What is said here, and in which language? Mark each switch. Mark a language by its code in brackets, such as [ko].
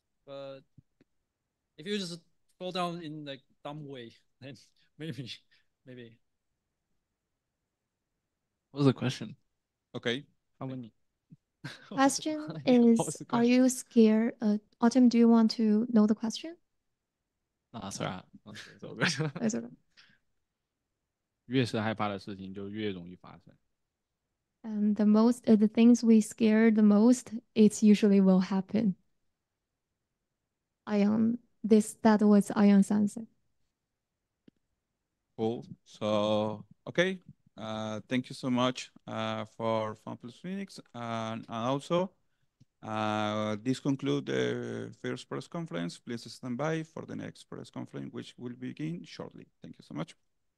[en] But if you just fall down in a dumb way, then maybe. What was the question? Okay. How many? Question is, are you scared? Autumn, do you want to know the question? No, that's all right. That's all right. [zh] 越是害怕的事情就越容易发生。 [en] And the most the things we scare the most, it usually will happen. That was Ion's answer. Cool. So okay. Thank you so much for FunPlus Phoenix and also this concludes the first press conference. Please stand by for the next press conference, which will begin shortly. Thank you so much.